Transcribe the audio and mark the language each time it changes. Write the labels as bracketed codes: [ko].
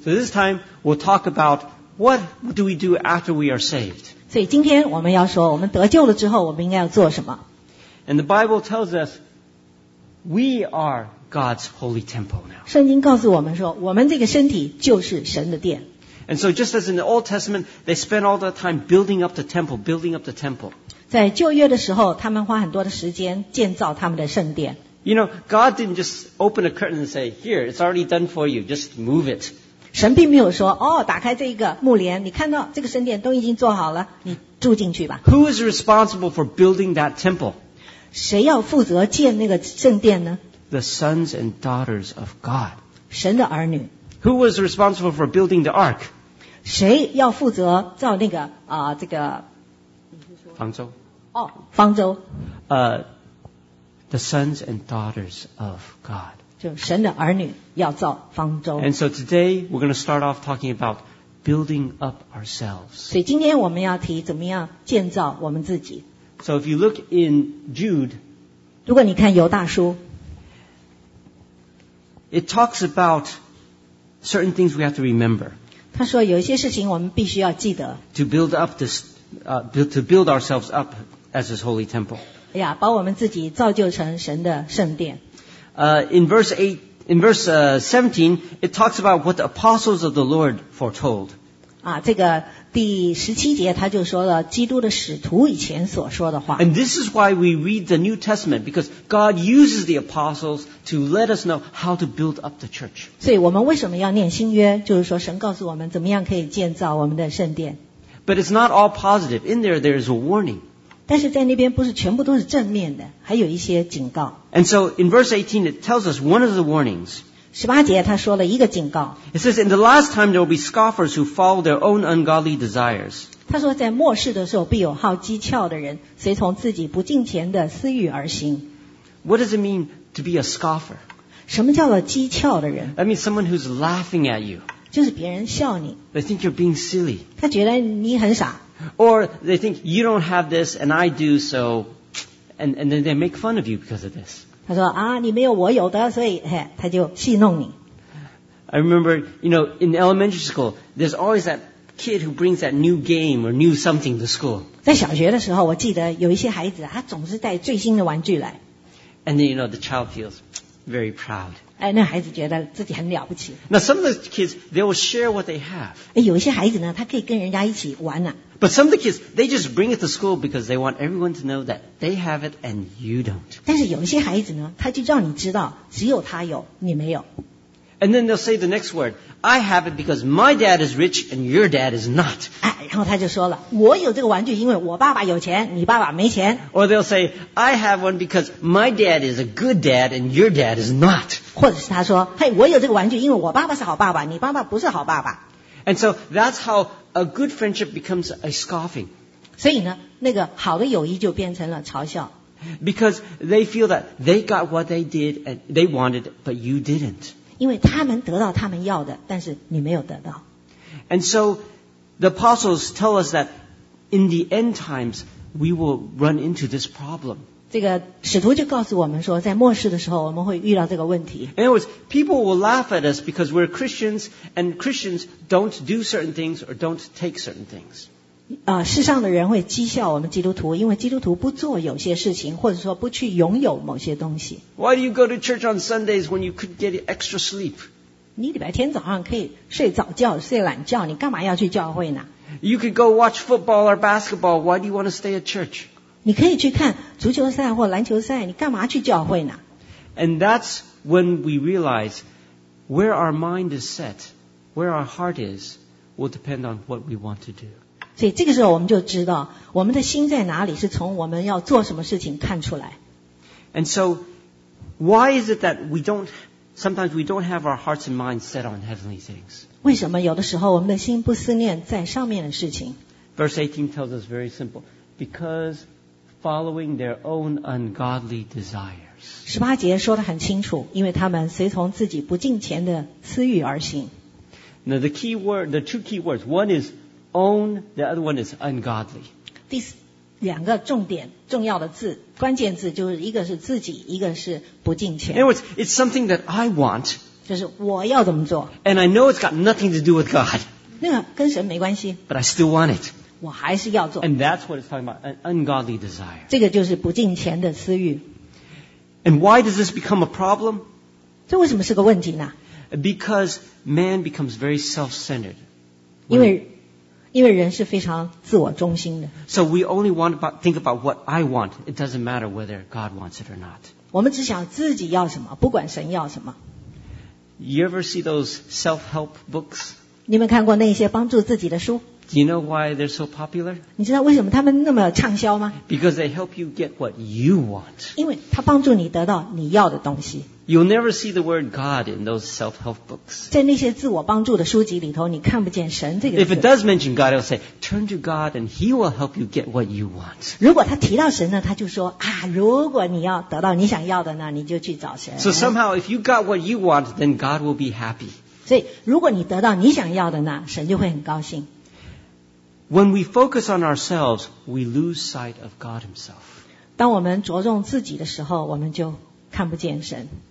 [en] So this time we'll talk about what do we do after we are saved. [zh] 所以今天我们要说，我们得救了之后，我们应该要做什么 [en] ？And the Bible tells us we are God's holy temple now. [zh] 圣经告诉我们说，我们这个身体就是神的殿。 [en] And so just as in the Old Testament, they spent all the time building up the temple, building up the temple. [zh] 在旧约的时候，他们花很多的时间建造他们的圣殿。 [en] You know, God didn't just open a curtain and say, "Here, it's already done for you. Just move it." [zh] 神并没有说哦，打开这一个幕帘，你看到这个圣殿都已经做好了，你住进去吧。 [en] Who is responsible for building that temple? [zh] 谁要负责建那个圣殿呢？ [en] The sons and daughters of God. [zh] 神的儿女。 [en] Who was responsible for building the ark? [zh] 谁要负责造那个这个方舟？哦，方舟。 [en] The sons and daughters of God. [zh] 就神的儿女要造方舟。 [en] And so today we're going to start off talking about building up ourselves. [zh] 所以今天我们要提怎么样建造我们自己。 [en] So if you look in Jude, [zh] 如果你看犹大书， [en] it talks about certain things we have to remember. [zh] 他说有一些事情我们必须要记得。 [en] To build up this, to build ourselves up as His holy temple. [zh] 哎呀，把我们自己造就成神的圣殿。 [en] In verse 17, it talks about what the apostles of the Lord foretold. [zh] 啊，这个第十七节他就说了基督的使徒以前所说的话。 [en] And this is why we read the New Testament, because God uses the apostles to let us know how to build up the church. [zh] 所以我们为什么要念新约？就是说神告诉我们怎么样可以建造我们的圣殿。 [en] But it's not all positive. In there, there is a warning. [zh] 但是在那边不是全部都是正面的，还有一些警告。 [en] And so in verse 18, it tells us one of the warnings. [zh] 十八节他说了一个警告。 [en] It says, in the last time there will be scoffers who follow their own ungodly desires. [zh] 他说在末世的时候必有好讥诮的人，随从自己不敬虔的私欲而行。 [en] What does it mean to be a scoffer? [zh] 什么叫做讥诮的人？ [en] That means someone who's laughing at you. [zh] 就是别人笑你。 [en] They think you're being silly. [zh] 他觉得你很傻。 [en] Or they think you don't have this and I do, so and then they make fun of you because of this. [zh] 他说啊，你没有我有的，所以嘿，他就戏弄你。 [en] I remember, you know, in elementary school, there's always that kid who brings that new game or new something to school. [zh] 在小学的时候，我记得有一些孩子，他总是带最新的玩具来。 [en] And then, you know, the child feels very proud. [zh] 哎，那孩子觉得自己很了不起。 [en] Now some of the kids they will share what they have. [zh] 哎，有一些孩子呢，他可以跟人家一起玩呢、啊。 [en] But some of the kids they just bring it to school because they want everyone to know that they have it and you don't. [zh] 但是有一些孩子呢，他就让你知道只有他有，你没有。 [en] And then they'll say the next word, "I have it because my dad is rich and your dad is not." [zh] 哎，然后他就说了，我有这个玩具，因为我爸爸有钱，你爸爸没钱。 [en] Or they'll say, "I have one because my dad is a good dad and your dad is not." [zh] 或者是他说，嘿，我有这个玩具，因为我爸爸是好爸爸，你爸爸不是好爸爸。 [en] And so that's how a good friendship becomes a scoffing. [zh] 所以呢，那个好的友谊就变成了嘲笑。 [en] Because they feel that they got what they did and they wanted, but you didn't. [zh] 因为他们得到他们要的，但是你没有得到。 [en] And so the apostles tell us that in the end times we will run into this problem. [zh] 这个使徒就告诉我们说，在末世的时候，我们会遇到这个问题。 [en] In other words, people will laugh at us because we're Christians, and Christians don't do certain things or don't take certain things. [zh] 世上的人会讥笑我们基督徒，因为基督徒不做有些事情，或者说不去拥有某些东西。 [en] Why do you go to church on Sundays when you could get extra sleep? [zh] 你礼拜天早上可以睡早觉、睡懒觉，你干嘛要去教会呢？ [en] You could go watch football or basketball. Why do you want to stay at church? [zh] 你可以去看足球赛或篮球赛，你干嘛去教会呢？ [en] And that's when we realize where our mind is set, where our heart is, will depend on what we want to do. [zh] 所以这个时候我们就知道，我们的心在哪里，是从我们要做什么事情看出来。 [en] And so, why is it that sometimes we don't have our hearts and minds set on heavenly things? [zh] 为什么有的时候我们的心不思念在上面的事情？ [en] Verse 18 tells us very simple, because following their own ungodly desires. [zh] 十八节说得很清楚，因为他们随从自己不敬虔的私欲而行。 [en] Now the key word, the two key words, one is own, the other one is ungodly. [zh] 第两个重点，重要的字，关键字就是一个是自己，一个是不敬虔。 [en] In other words, it's something that I want. [zh] 就是我要怎么做。 [en] And I know it's got nothing to do with God. [zh] 那个跟神没关系。 [en] But I still want it. [zh] 我还是要做。 [en] And that's what it's talking about, an ungodly desire. [zh] 这个就是不敬虔的私欲。 [en] And why does this become a problem? [zh] 这为什么是个问题呢？ [en] Because man becomes very self-centered. [zh] 因为人是非常自我中心的。 [en] So we only want to think about what I want. It doesn't matter whether God wants it or not. [zh] 我们只想自己要什么，不管神要什么。 [en] You ever see those self-help books? [zh] 你们看过那些帮助自己的书？ [en] Do you know why they're so popular? [zh] 你知道为什么他们那么畅销吗？ [en] Because they help you get what you want. [zh] 因为他帮助你得到你要的东西。 [en] You'll never see the word God in those self-help books. [zh] 在那些自我帮助的书籍里头，你看不见神这个字。 [en] If it does mention God, it'll say, turn to God and he will help you get what you want. [zh] 如果他提到神呢，他就说啊，如果你要得到你想要的呢，你就去找神。 [en] So somehow, if you got what you want, then God will be happy. [zh] 所以如果你得到你想要的呢，神就会很高兴。 [en] When we focus on ourselves, we lose sight of God Himself. [zh] 当我们着重自己的时候，我们就看不见神。